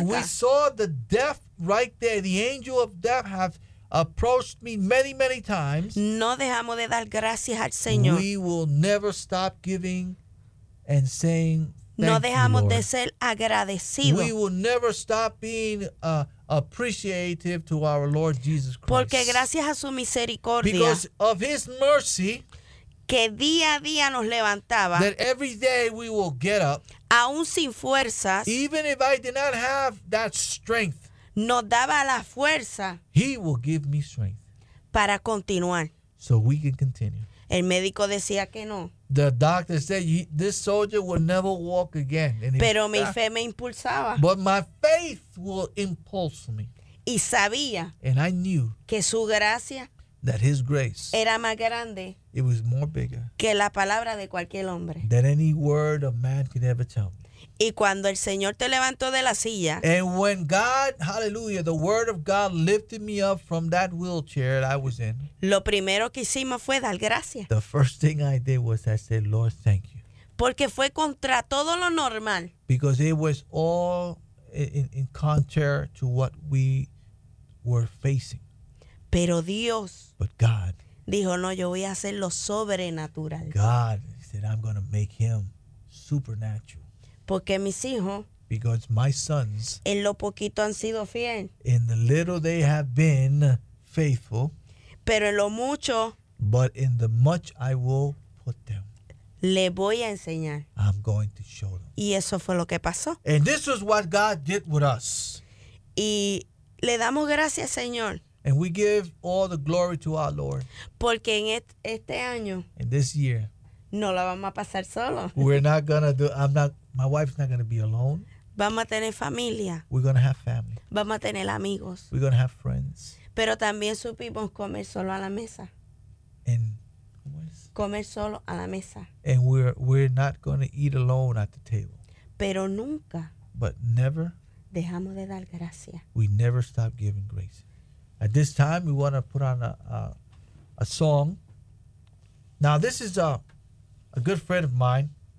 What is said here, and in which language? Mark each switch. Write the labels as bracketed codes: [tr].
[en] And we saw the death right there. The angel of death have approached me many, many times. [es] No dejamos de dar gracias al Señor. [en] We will never stop giving and saying thank [es] no dejamos [en] you, [es] de ser agradecidos. [en] We will never stop being appreciative to our Lord Jesus Christ. [es] Porque gracias a su misericordia. [en] Because of his mercy. [es] Que día a día nos levantaba. [en] That every day we will get up. [es] Aún sin fuerzas. [en] Even if I did not have that strength. [es] Nos daba la fuerza. [en] He will give me strength. [es] Para continuar. [en] So we can continue. [es] El médico decía que no. [en] The doctor said this soldier will never walk again. [es] And pero mi fe me impulsaba. [en] But my faith will impulse me. [es] Y sabía. [en] And I knew. [es] Que su gracia. [en] That his grace. [es] Era más grande. [en] It was more bigger. [es] Que la palabra de cualquier hombre. [en] Than any word of man could ever tell me. [es] Y cuando el Señor te levantó de la silla. [en] And when God, hallelujah, the word of God lifted me up from that wheelchair that I was in. [es] Lo primero que hicimos fue dar gracias. [en] The first thing I did was I said, Lord, thank you. [es] Porque fue contra todo lo normal. [en] Because it was all in contrary to what we were facing. [es] Pero Dios. [en] But God. [es] Dijo, no, yo voy a hacer lo sobrenatural. [en] God said, I'm going to make him supernatural. [es] Porque mis hijos, [en] because my sons, [es] en lo poquito han sido fiel, [en] in the little they have been faithful. [es] Pero en lo mucho. [en] But in the much I will put them. [es] Le voy a enseñar. [en] I'm going to show them. [es] Y eso fue lo que pasó. [en] And this is what God did with us. [es] Y le damos gracias, Señor. [en] And we give all the glory to our Lord. [es] Porque en este año. [en] In this year. [es] No la vamos a pasar solo. [en] We're not gonna do. I'm not. My wife's not gonna be alone. [es] Vamos a tener familia. [en] We're gonna have family. [es] Vamos a tener amigos. [en] We're gonna have friends. [es] Pero también supimos comer solo a la mesa. [en] And [es] comer solo a la mesa. [en] And we're not gonna eat alone at the table. [es] Pero nunca. [en] But never. [es] Dejamos de dar gracia. [en] We never stop giving grace. At this time, we want to put on a song. Now, this is a good friend of mine.